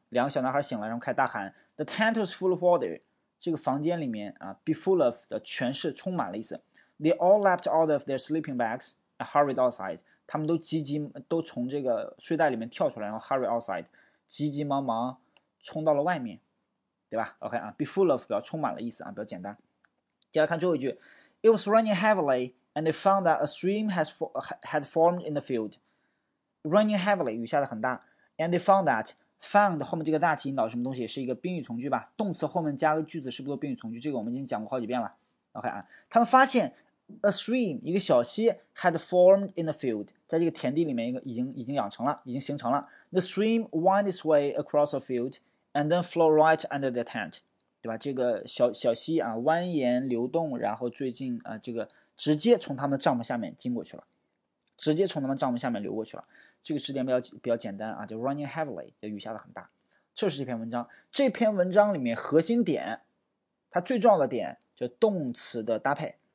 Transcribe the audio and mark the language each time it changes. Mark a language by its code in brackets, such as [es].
[zh] 两个小男孩醒来，然后开始大喊： [en] “The tent was full of water。 [zh] 这个房间里面啊，be full of 的全是充满了意思。 [en] They all leapt out of their sleeping bags and hurried outside。” [zh] 他们都急急都从这个睡袋里面跳出来，然后 [en] hurry outside， [zh] 急急忙忙冲到了外面，对吧？OK 啊，be full of 表充满了意思啊，比较简单。 [en] 接下来看最后一句：It was raining heavily, and they found that a stream had formed in the field. Raining heavily， [zh] 雨下得很大， [en] and they found that found [zh] 后面这个 that 引导什么东西，是一个宾语从句吧？动词后面加个句子，是不是都宾语从句？这个我们已经讲过好几遍了。OK 啊，他们发现 [en] A stream， [zh] 一个小溪， [en] had formed in the field， [zh] 在这个田地里面，一个已经养成了，已经形成了。 [en] The stream wound its way across a field and then flowed right under the tent，对吧？ [zh] 这个小溪啊，蜿蜒流动，然后最近啊，这个直接从他们帐篷下面经过去了，直接从他们帐篷下面流过去了。这个知识点比较简单啊，就 [en] running heavily， [zh] 就雨下的很大。这是这篇文章里面核心点，它最重要的点就动词的搭配。